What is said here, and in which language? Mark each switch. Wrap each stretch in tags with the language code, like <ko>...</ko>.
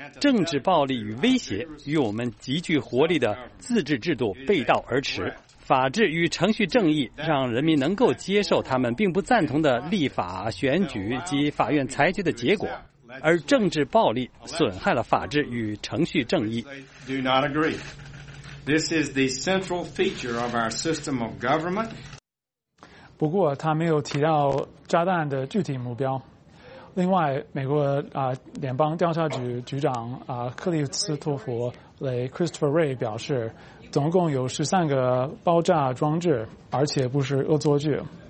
<zh>政治暴力与威胁与我们极具活力的自治制度背道而驰。法治与程序正义让人民能够接受他们并不赞同的立法、选举及法院裁决的结果，而政治暴力损害了法治与程序正义。</zh> <en>Do not agree. This is the central feature of our system of government.</en> <zh>不过他没有提到炸弹的具体目标。另外美国联邦调查局局长克里斯托弗雷 Christopher Ray 表示，总共有13个爆炸装置，而且不是恶作剧。</zh>